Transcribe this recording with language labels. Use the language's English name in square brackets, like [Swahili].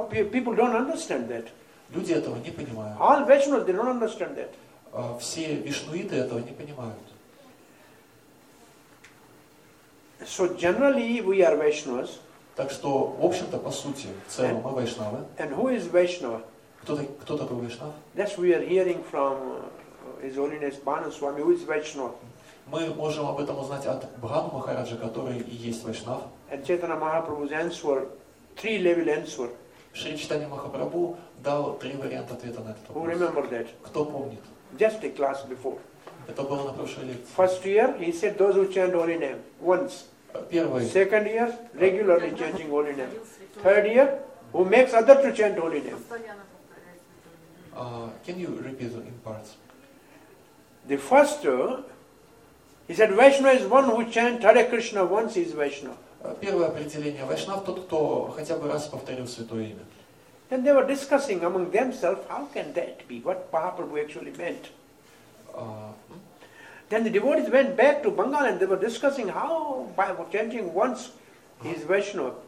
[English] People don't understand that. [Russian] Люди этого не понимают. [English] All Vaishnavas they don't understand that. [Russian] Все вишнуиты этого не понимают. [English] So generally we are Vaishnavas. [Russian] Так что, в общем-то, по сути, в целом мы Вайшнавы. [English] And who is Vaishnava? [Russian] Кто такой Вайшнав? [English] That's we are hearing from His Holiness Bhanu Swami, who is Vaishnava. [Russian] Мы можем об этом узнать от Бхану Махараджа, который и есть Вайшнав. [English] And Chaitanya Mahaprabhu's answer, three-level answer. [Russian] Шри Чайтанья Махапрабху дал три варианта ответа на этот вопрос. [English] Who remember that? [Russian] Кто помнит? [English] Just a class before. [Russian] Это было на прошлой лекции. [English] First year, he said those who chant holy name once. [Russian] Первый. [English] Second year, regularly chanting holy name. Third year, who makes others to chant holy name. Can you repeat in parts? The first, he said, Vaishnava is one who chants Hare Krishna once, he is Vaishnava. [Russian] Первое определение. Вайшнав тот, кто хотя бы раз повторил святое имя. [English] Then they were discussing among themselves, how can that be? What Mahaprabhu actually meant? Then the devotees went back to Bengal and they were discussing how by chanting once is Vaishnava.